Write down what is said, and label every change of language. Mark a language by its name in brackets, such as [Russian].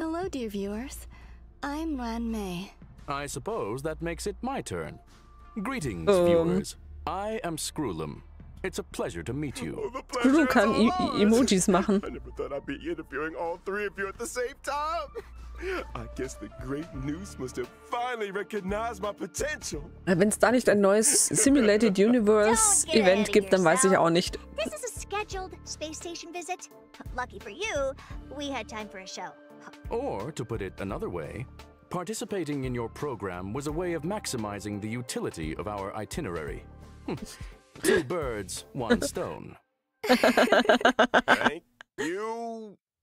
[English] Hello, dear viewers. I'm Ran May. I suppose that makes it my turn. Greetings, viewers. I am Skrullum. It's a pleasure to meet you. [German] Skrullum kann Emojis machen. [English] I never thought I'd be interviewing all three of you at the same time. I guess the great news must have finally recognized my potential. [German] Wenn es da nicht ein neues Simulated Universe Event gibt, dann weiß ich auch nicht. [English] This is a scheduled space station visit. Lucky for you, we had time for a show. Or, to put it another way, participating in your program was a way of maximizing the utility of our itinerary. Two birds, one stone. Thank you.